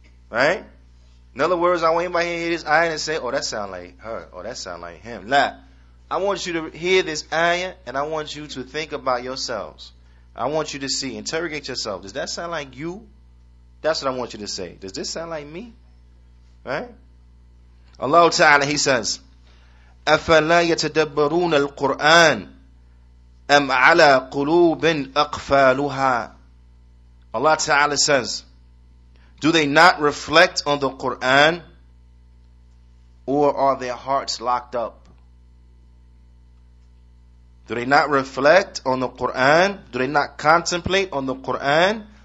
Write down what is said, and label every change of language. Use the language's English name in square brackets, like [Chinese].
[English] Right? In other words, I want anybody to hear this ayah and say, oh, that sound like her. Oh, that sound like him. Nah. I want you to hear this ayah and I want you to think about yourselves. I want you to see, interrogate yourself. Does that sound like you? That's what I want you to say. Does this sound like me? Right? Allah Ta'ala, he says, [Arabic] أَفَلَا يَتَدَبَّرُونَ الْقُرْآنَ أَمْ عَلَىٰ قُلُوبٍ أَقْفَالُهَا. [English] Allah Ta'ala says, do they not reflect on the Qur'an, or are their hearts locked up? Do they not reflect on the Qur'an? Do they not contemplate on the Qur'an?